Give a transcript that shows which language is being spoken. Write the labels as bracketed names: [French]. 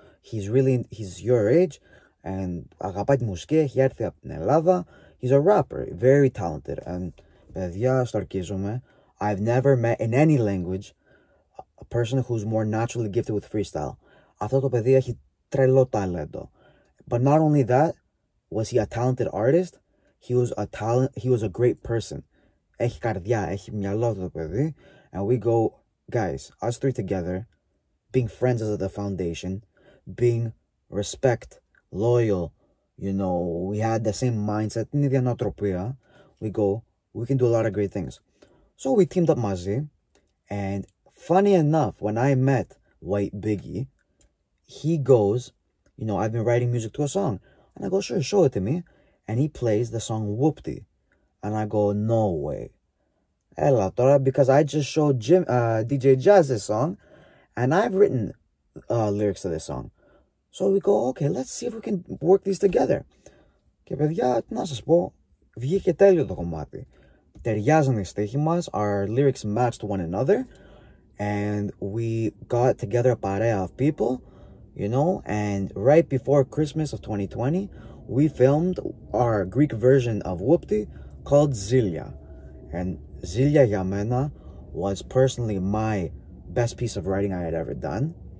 [English] He's your age and [Greek] αγαπάει τη μουσική, έχει έρθει από την Ελλάδα. [English] He's a rapper, very talented. And [Greek] παιδιά, στορκίζομαι, [English] I've never met in any language a person who's more naturally gifted with freestyle. [Greek] Αυτό το παιδί έχει τρελό ταλέντο. [English] But not only that, was he a talented artist? He was a great person. [Greek] Έχει καρδιά, έχει μυαλό το παιδί. [English] And we go, guys, us three together, being friends is at the foundation, being respect, loyal, you know, we had the same mindset, [Greek] την ίδια νοοτροπία. [English] We go, we can do a lot of great things. So we teamed up [Greek] μαζί. [English] And funny enough, when I met White Biggie, he goes, you know, I've been writing music to a song. And I go, sure, show it to me. And he plays the song Whoopty. And I go, no way. [Greek] Έλα τώρα, [English] because I just showed DJ Jazz this song. And I've written lyrics to this song. So we go, okay, let's see if we can work these together. [Greek] Και παιδιά, τι να σας πω, βγήκε τέλειο το κομμάτι. Ταιριάζαν οι στίχοι μας, [English] our lyrics matched one another. And we got together a [Greek] παρέα [English] of people. You know, and right before Christmas of 2020, we filmed our Greek version of Whoopty called Zilia. And Zilia [Greek] για μένα [English] was personally my best piece of writing I had ever done.